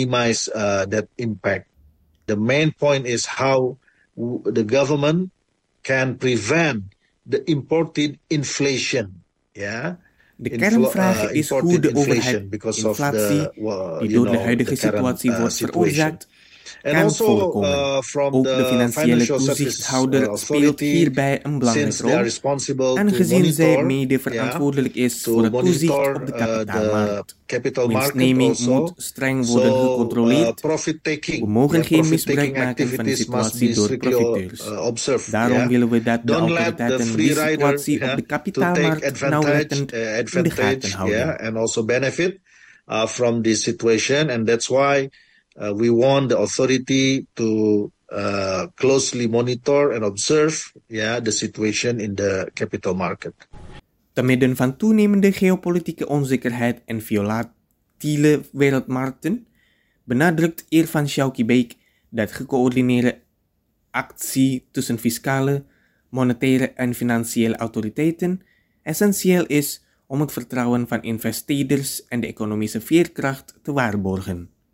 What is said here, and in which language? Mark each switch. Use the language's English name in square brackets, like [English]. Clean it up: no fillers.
[English] The main point is how the government can prevent the imported inflation. [Dutch] De kernvraag is hoe de overheid inflatie, die door de huidige situatie wordt veroorzaakt, kan voorkomen. Ook de financiële toezichthouder speelt hierbij een belangrijke rol, aangezien zij mede verantwoordelijk is voor het toezicht op de kapitaalmarkt. Winstneming moet streng worden gecontroleerd. We mogen geen misbruik maken van de situatie door profiteurs. Daarom willen we dat de autoriteiten de situatie op de kapitaalmarkt nauwlettend in de gaten houden. [English] And also benefit from this situation, and that's why we want the authority to closely monitor and observe the situation in the capital market. [Dutch] Te midden van toenemende geopolitieke onzekerheid en volatiele wereldmarkten benadrukt Irfan Syawki Baik dat gecoördineerde actie tussen fiscale, monetaire en financiële autoriteiten essentieel is om het vertrouwen van investeerders en de economische veerkracht te waarborgen.